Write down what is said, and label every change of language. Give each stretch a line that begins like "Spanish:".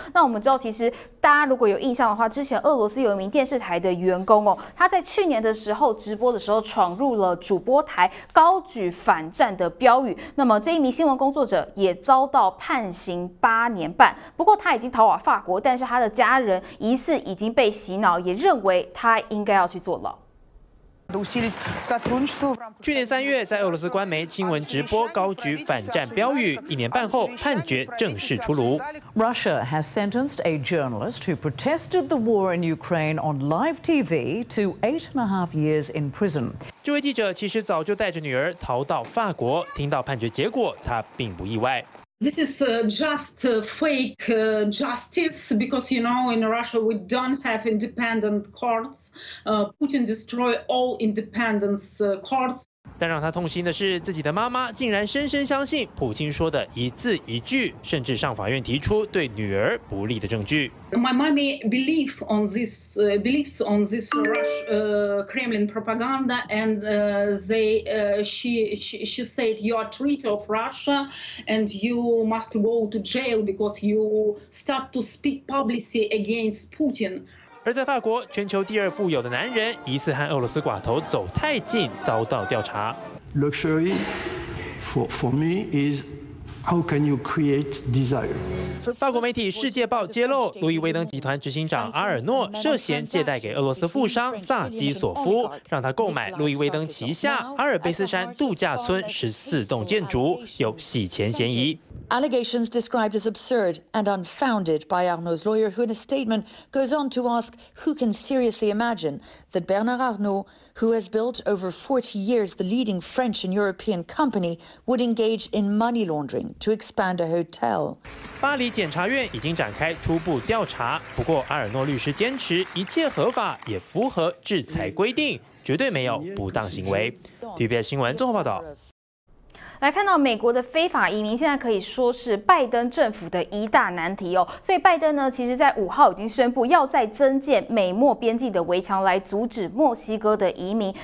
Chinese: 那我们知道，其实大家如果有印象的话，之前俄罗斯有一名电视台的员工哦，他在去年的时候直播的时候闯入了主播台，高举反战的标语，那么这一名新闻工作者也遭到判刑8年半，不过他已经逃往法国，但是他的家人疑似已经被洗脑，也认为他应该要去坐牢。去年3月，在俄罗斯官媒新闻直播高举反战标语，1年半后判决正式出炉。
English: Russia has sentenced a journalist who protested the war in Ukraine on live TV to 8.5 years in prison.
Chinese: 这位记者其实早就带着女儿逃到法国，听到判决结果，他并不意外。
English: This is just fake justice because, you know, in Russia we don't have independent courts. Putin destroyed all independent courts.
Chinese: 但让他痛心的是，自己的妈妈竟然深深相信普京说的一字一句，甚至上法院提出对女儿不利的证据。
English: My mommy believes on this Kremlin propaganda, and she said you are traitor of Russia, and you must go to jail because you start to speak publicly against Putin.
Chinese: 而在法国，全球第二富有的男人疑似和俄罗斯寡头走太近，遭到调查。
English: Luxury for me is. How can you create desire?
Chinese: 法国媒体《世界报》揭露，路易威登集团执行长阿尔诺涉嫌借贷给俄罗斯富商萨基索夫，让他购买路易威登旗下阿尔卑斯山度假村14栋建筑，有洗钱嫌疑。
English: Allegations described as absurd and unfounded by Arnault's lawyer, who in a statement goes on to ask, who can seriously imagine that Bernard Arnault, who has built over 40 years the leading French and European company, would engage in money laundering to expand a hotel?
Chinese: 巴黎检察院已经展开初步调查，不过阿尔诺律师坚持一切合法，也符合制裁规定，绝对没有不当行为。 TVBS 新闻综合报道。来看到美国的非法移民现在可以说是拜登政府的一大难题哦，所以拜登呢，其实在五号已经宣布要再增建美墨边境的围墙来阻止墨西哥的移民。